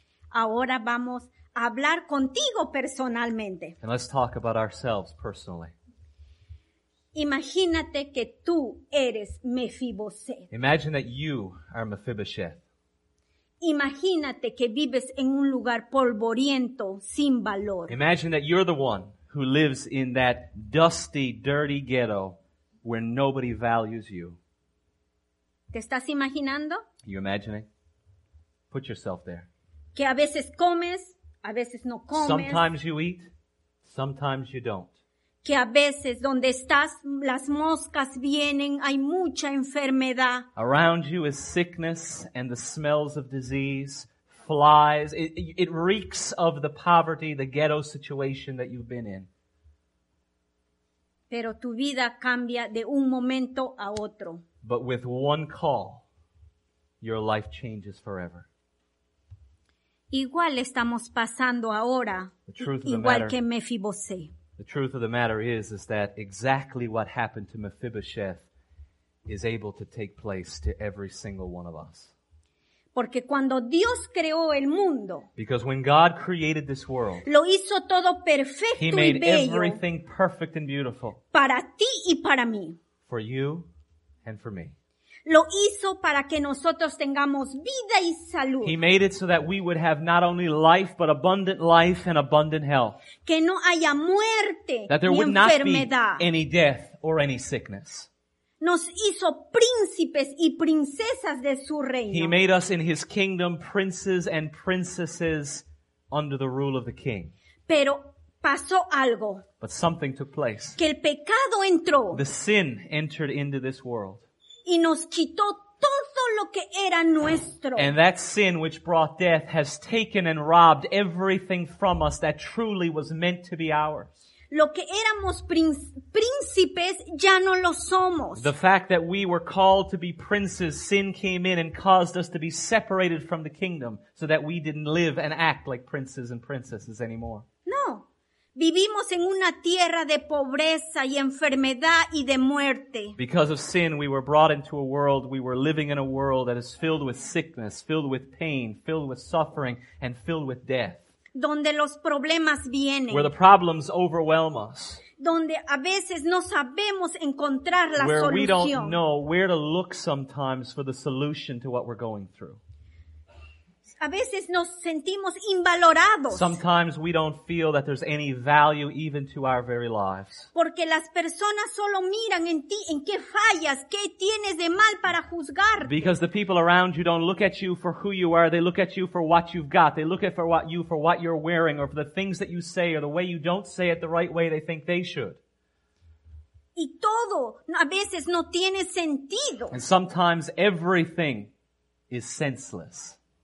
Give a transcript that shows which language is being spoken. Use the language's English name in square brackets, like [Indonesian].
[Spanish] Ahora vamos a hablar contigo personalmente. [English] And let's talk about ourselves personally. [Spanish] Imagínate que tú eres Mefiboset. [English] Imagine that you are Mephibosheth. [Spanish] Imagínate que vives en un lugar polvoriento, sin valor. [English] Imagine that you're the one who lives in that dusty, dirty ghetto where nobody values you. [Spanish] ¿Te estás imaginando? [English] You imagining? Put yourself there. [Spanish] Que a veces comes, a veces no comes. [English] Sometimes you eat, sometimes you don't. [Spanish] Que a veces donde estás las moscas vienen, hay mucha enfermedad. [English] Around you is sickness and the smells of disease, flies. It reeks of the poverty, the ghetto situation that you've been in. [Spanish] Pero tu vida cambia de un momento a otro. [English] But with one call, your life changes forever. [Spanish] Igual estamos pasando ahora, igual que Mefiboset. [English] The truth of the matter is that exactly what happened to Mephibosheth is able to take place to every single one of us. [Spanish] Porque cuando Dios creó el mundo, [English] because when God created this world, [Spanish] lo hizo todo perfecto [English] He made [Spanish] y bello [English] everything perfect and beautiful [Spanish] para ti y para mí. [English] For you and for me. [Spanish] Lo hizo para que nosotros tengamos vida y salud. [English] He made it so that we would have not only life, but abundant life and abundant health. [Spanish] Que no haya muerte [English] that there [Spanish] ni [English] would [Spanish] enfermedad. [English] Not be any death or any sickness. [Spanish] Nos hizo príncipes y princesas de su reino. [English] He made us in his kingdom princes and princesses under the rule of the king. [Spanish] Pero pasó algo. [English] But something took place. [Spanish] Que el pecado entró. [English] The sin entered into this world. [Spanish] Y nos quitó todo lo que era nuestro. [English] And that sin which brought death has taken and robbed everything from us that truly was meant to be ours. [Spanish] Lo que éramos príncipes ya no lo somos. [English] The fact that we were called to be princes, sin came in and caused us to be separated from the kingdom so that we didn't live and act like princes and princesses anymore. [Spanish] No. Vivimos en una tierra de pobreza y enfermedad y de muerte. [English] Because of sin, we were brought into a world, we were living in a world that is filled with sickness, filled with pain, filled with suffering, and filled with death. [Spanish] Donde los problemas vienen. [English] Where the problems overwhelm us. [Spanish] Donde a veces no sabemos encontrar la [English] where [Spanish] solución. [English] Where we don't know where to look sometimes for the solution to what we're going through. [Spanish] A veces nos sentimos invalorados. [English] Sometimes we don't feel that there's any value even to our very lives. [Spanish] Porque las personas solo miran en ti, en qué fallas, qué tienes de mal para juzgarte. [English] Because the people around you don't look at you for who you are, they look at you for what you've got. They look at for what you're wearing or for the things that you say or the way you don't say it the right way they think they should. [Spanish] Y todo a veces no tiene sentido. [English] And sometimes everything is senseless.